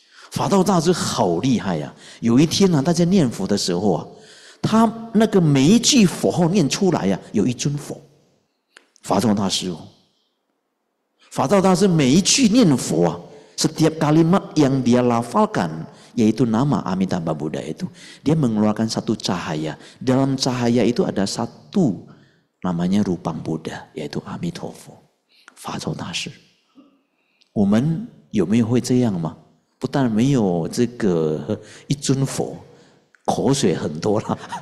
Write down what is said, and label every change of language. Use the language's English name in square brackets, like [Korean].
[Chinese] Fa Zhao Da Shi 好厉害呀、有一天呢、大家念佛的时候啊，他那个每一句佛号念出来呀、有一尊佛。 Fa Zhao Da Shi 哦。 [Indonesian] Fa Zhao Da Shi [Chinese] 每一句念佛啊， [Indonesian] setiap kalimat yang dia lafalkan yaitu nama Amitabha Buddha itu, dia mengeluarkan satu cahaya. Dalam cahaya itu ada satu namanya rupang Buddha yaitu Amitabha. [Chinese] Fa Zhao Da Shi. 我们有没有会这样吗？不但没有这个一尊佛，口水很多了。